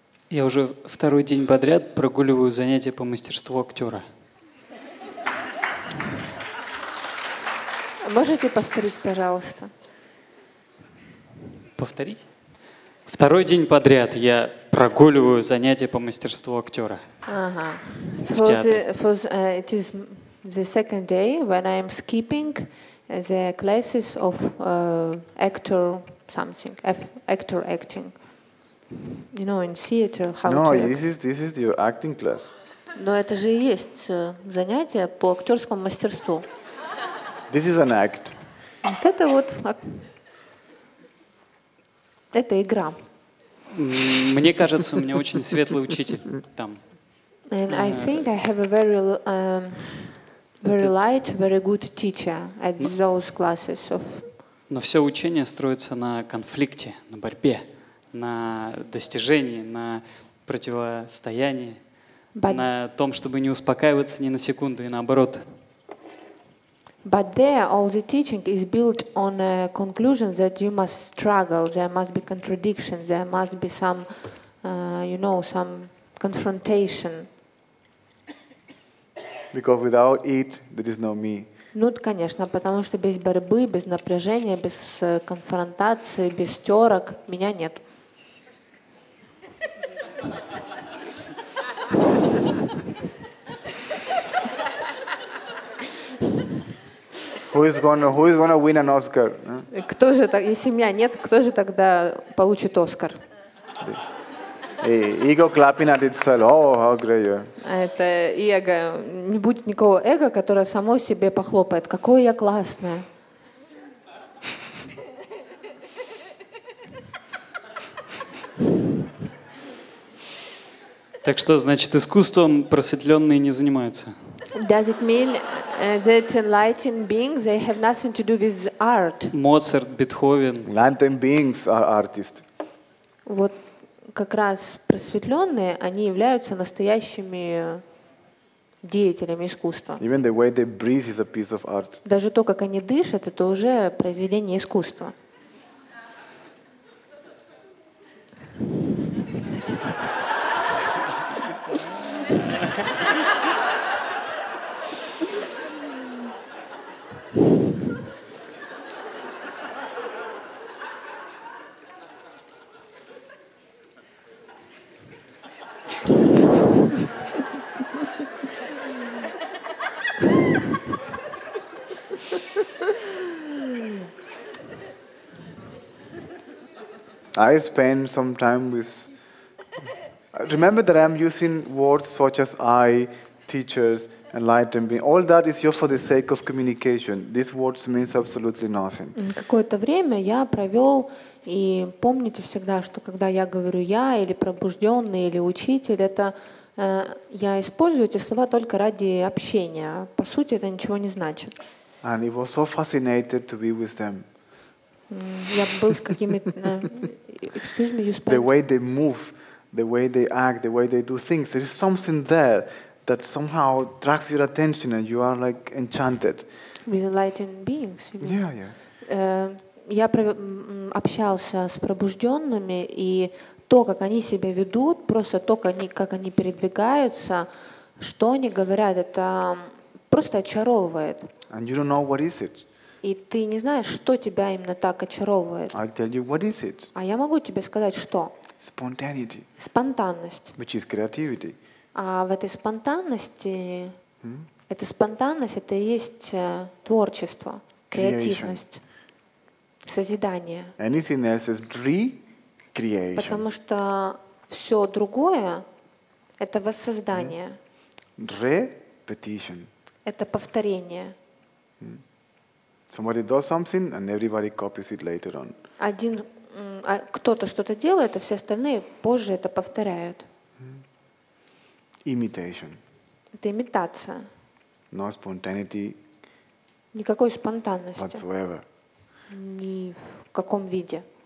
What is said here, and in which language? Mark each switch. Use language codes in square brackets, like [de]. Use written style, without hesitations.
[ru] Я уже второй день подряд прогуливаю занятия по мастерству актера. Можете повторить, пожалуйста? Повторить? Второй день подряд я прогуливаю занятия по мастерству актера. Ага. [en] It is the second day when I am skipping the classes of actor something, actor acting. You know, in theater, how no, to. No, this is your acting class. [ru] Но это же и есть занятие по актерскому мастерству. [en] This is an act. [ru] Вот это вот. Это игра. Мне кажется, у меня очень светлый учитель там. [en] And I think I have a very very light, very good teacher at those classes of. [ru] Но все учение строится на конфликте, на борьбе, на достижении, на противостоянии, but на том, чтобы не успокаиваться ни на секунду, и наоборот. [en] But there all the teaching is built on a conclusion that you must struggle, there must be contradiction, there must be some you know, some confrontation. Because without it there is no me. [ru] Ну, конечно, потому что без борьбы, без напряжения, без конфронтации, без терок меня нет. [en] Who is gonna win an Oscar? [ru] Кто же так, если меня нет, кто же тогда получит Оскар? [en] Ego clapping at itself. Oh, how great you are. [ru] Это эго. Не будет никакого эго, которое само себе похлопает. Какое я классное. Так что, значит, искусством просветленные не занимаются? [en] Does it mean that enlightened beings they have nothing to do with art? [ru] Моцарт, Бетховен. [en] Enlightened beings are artists. [ru] Вот как раз просветленные, они являются настоящими деятелями искусства. [en] Even the way they breathe is a piece of art. [ru] Даже то, как они дышат, это уже произведение искусства. [en] Yeah. I spend some time with. Remember that I'm using words such as I, teachers, enlightened being. All that is just for the sake of communication. These words mean absolutely nothing. [ru] Какое-то время я провел. И помните всегда, что когда я говорю «я» или «пробужденный» или «учитель», это я использую эти слова только ради общения. По сути, это ничего не значит. [en] And it was so fascinated to be with them. [ru] Я был с какими-то... [en] Excuse me, you spoke. The way they move, the way they act, the way they do things, there is something there that somehow attracts your attention and you are like enchanted. With enlightened beings, you mean? Yeah, yeah. [ru] Я общался с пробужденными, и то, как они себя ведут, просто то, как они передвигаются, что они говорят, это просто очаровывает. [en] And you don't know what is it. [ru] И ты не знаешь, что тебя именно так очаровывает. [en] I'll tell you what is it. [ru] А я могу тебе сказать, что? [en] Spontaneity. [ru] Спонтанность. [en] Which is creativity. [ru] А в этой спонтанности, эта спонтанность, это и есть творчество, креативность. [en] Creation. [ru] Созидание. [en] Anything else is re-creation. [ru] Потому что все другое — это воссоздание. [en] Repetition. [ru] Это повторение. [en] Somebody does something and everybody copies it later on. [ru] Один, кто-то что-то делает, а все остальные позже это повторяют. [en] Imitation. [ru] Это имитация. [en] No spontaneity. [ru] Никакой спонтанности. [en] Whatsoever. [ru] Ни в каком виде.